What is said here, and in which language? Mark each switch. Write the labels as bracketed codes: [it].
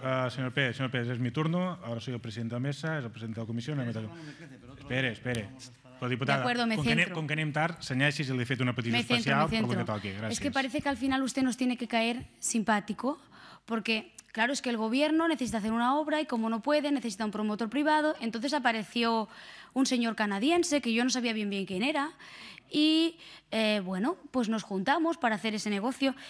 [es] Señor Pérez, señor Pérez, es mi turno. Ahora soy el presidente de la mesa, es el presidente de la comisión. Espere. [ca] Però, diputada, [es] de acuerdo, me centro. [ca] Com que anem tard, senyeixis i li he fet una petició especial per lo que toqui. Gràcies. [es] Es que parece que al final usted nos tiene que caer simpático, porque claro, es que el gobierno necesita hacer una obra y como no puede, necesita un promotor privado. Entonces apareció un señor canadiense que yo no sabía bien quién era y bueno, pues nos juntamos para hacer ese negocio.